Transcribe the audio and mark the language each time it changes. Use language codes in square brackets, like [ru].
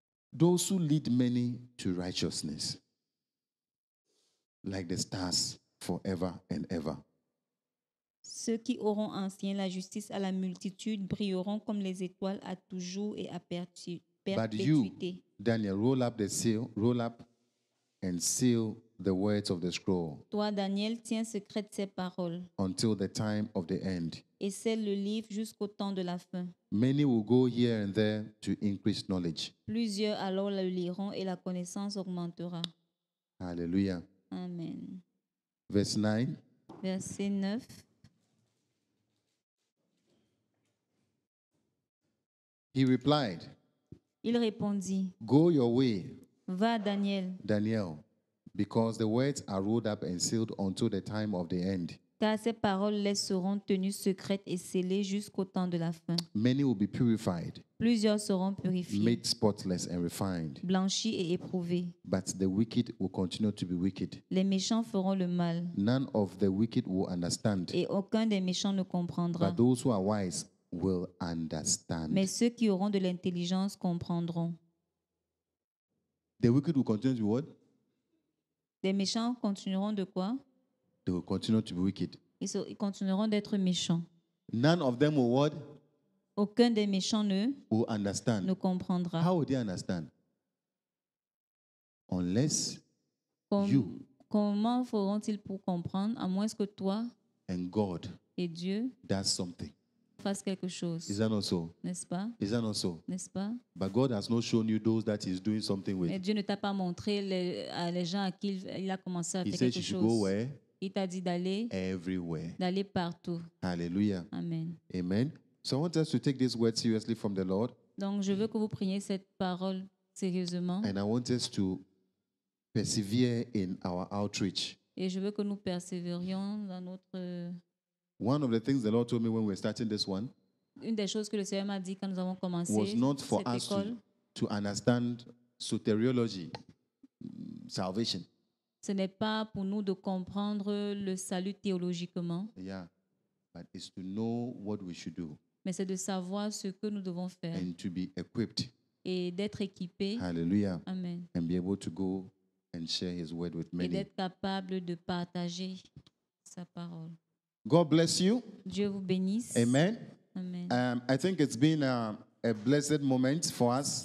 [en] Those who lead many to righteousness, like the stars forever and ever. [fr] Ceux qui auront enseigné la justice à la multitude brilleront comme les étoiles à toujours et à perpétuité. [en] But you, Daniel, roll up the seal, roll up and seal the words of the scroll. [fr] Toi, Daniel, tiens secrète ces paroles. [en] Until the time of the end. [fr] Et scelle le livre jusqu'au temps de la fin. [en] Many will go here and there to increase knowledge. [fr] Plusieurs alors le liront et la connaissance augmentera. Alléluia. Amen. [en] Verse 9. [fr] Verset 9. [en] He replied. [fr] Il répondit. [en] Go your way. [fr] Va, Daniel. [en] Daniel, because the words are rolled up and sealed until the time of the end. [fr] Car ces paroles les seront tenues secrètes et scellées jusqu'au temps de la fin. [en] Many will be purified. [fr] Plusieurs seront purifiés. [en] Made spotless and refined. [fr] Blanchis et éprouvés. [en] But the wicked will continue to be wicked. [fr] Les méchants feront le mal. [en] None of the wicked will understand. [fr] Et aucun des méchants ne comprendra. [en] But those who are wise will understand. [fr] Mais ceux qui auront de l'intelligence comprendront. [en] The wicked will continue to be what? [fr] Les méchants continueront de quoi? [en] They will continue to be wicked. [fr] Ils continueront d'être méchants. [en] None of them will what? [fr] Aucun des méchants ne [en] will understand. [fr] Ne comprendra. [en] How will they understand? Unless you. [fr] Comment feront-ils pour comprendre à moins que toi [en] and God [fr] et Dieu [en] does something. [fr] Fasse quelque chose. [en] Is that not so? [fr] N'est-ce pas? [en] Is that not so? [fr] N'est-ce pas? [en] But God has not shown you those that he's doing something with. [fr] Mais Dieu ne t'a pas montré les gens à qui il a commencé à [en] he [fr] faire quelque chose. [en] Go where? [fr] Il t'a dit d'aller [en] everywhere. [fr] D'aller partout. Alléluia. Amen. Amen. [en] So I want us to take this word seriously from the Lord. [fr] Donc je veux que vous preniez cette parole sérieusement. [en] And I want us to persevere in our outreach. [fr] Et je veux que nous persévérions dans notre [en] One of the things the Lord told me when we were starting this one. [fr] Une des choses que le Seigneur m'a dit quand nous avons commencé [en] was not for us to understand soteriology, salvation. [fr] Ce n'est pas pour nous de comprendre le salut théologiquement. [en] Yeah, but it's to know what we should do. [fr] Mais c'est de savoir ce que nous devons faire. [en] And to be equipped. [fr] Et d'être équipé. [en] Hallelujah. Amen. And be able to go and share His word with many. [fr] Et d'être capable de partager sa parole. [en] God bless you. [fr] Dieu vous bénisse. Amen. Amen. [en] I think it's been a blessed moment for us.